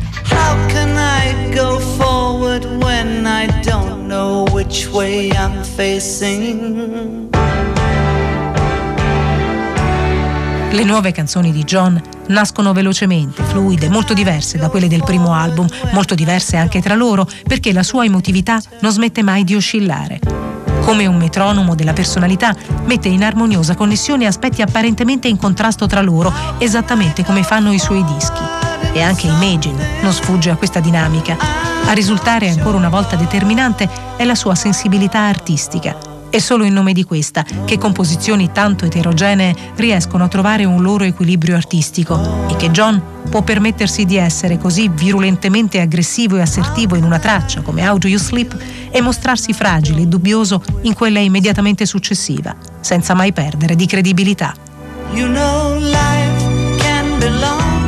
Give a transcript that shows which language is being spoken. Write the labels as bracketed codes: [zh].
[en] How can I go forward when I don't know which way I'm facing? [it] Le nuove canzoni di John nascono velocemente, fluide, molto diverse da quelle del primo album, molto diverse anche tra loro, perché la sua emotività non smette mai di oscillare. come un metronomo della personalità, mette in armoniosa connessione aspetti apparentemente in contrasto tra loro, esattamente come fanno i suoi dischi. E anche Imagine non sfugge a questa dinamica. A risultare ancora una volta determinante è la sua sensibilità artistica. È solo in nome di questa che composizioni tanto eterogenee riescono a trovare un loro equilibrio artistico e che John può permettersi di essere così virulentemente aggressivo e assertivo in una traccia come How Do You Sleep e mostrarsi fragile e dubbioso in quella immediatamente successiva, senza mai perdere di credibilità. [en] You know life can be long.